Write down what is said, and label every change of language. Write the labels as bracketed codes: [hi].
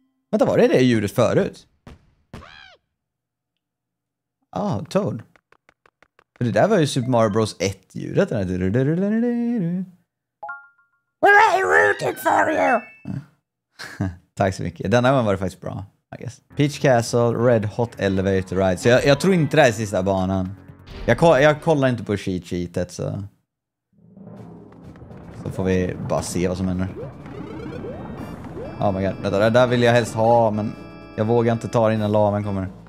[sv] Vänta, var det ljudet förut? Ah, Toad. Det där var ju Super Mario Bros 1-ljudet. [en] We're all rooting for you! [sv] Tack så mycket. Denna gången var det faktiskt bra, [en] I guess. [sv] Peach Castle, Red Hot Elevator Ride. Så jag tror inte det är sista banan. Jag kollar inte på cheat-sheetet, så... Så får vi bara se vad som händer. [en] Oh my god, [sv] det där vill jag helst ha, men jag vågar inte ta det innan lavan kommer.